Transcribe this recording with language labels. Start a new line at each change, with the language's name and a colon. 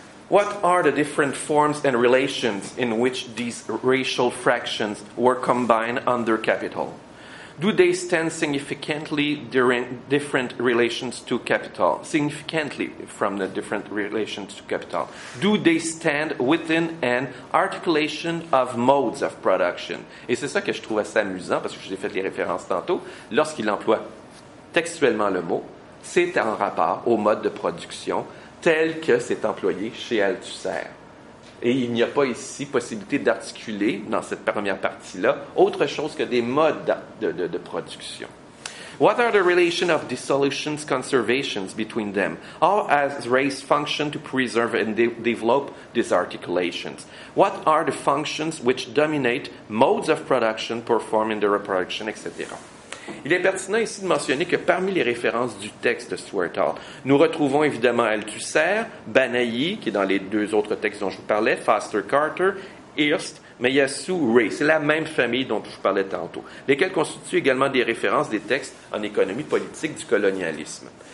English: What are the different forms and relations in which these racial fractions were combined under capital? Do they stand significantly during different relations to capital? Significantly from the different relations to capital. Do they stand within an articulation of modes of production?
French: Et c'est ça que je trouve assez amusant, parce que je vous ai fait les références tantôt. Lorsqu'il emploie textuellement le mot, c'est en rapport au mode de production tel que c'est employé chez Althusser. Et il n'y a pas ici possibilité d'articuler, dans cette première partie-là, autre chose que des modes de production.
English: What are the relations of dissolutions, conservations between them? How has race functioned to preserve and develop these articulations? What are the functions which dominate modes of production, performing the reproduction, etc.?
French: Il est pertinent ici de mentionner que parmi les références du texte de Stuart Hall, nous retrouvons évidemment Althusser, Banayi, qui est dans les deux autres textes dont je vous parlais, Foster Carter, Hirst, mais il y a Sue Ray, c'est la même famille dont je vous parlais tantôt, lesquels constituent également des références des textes en économie politique du colonialisme.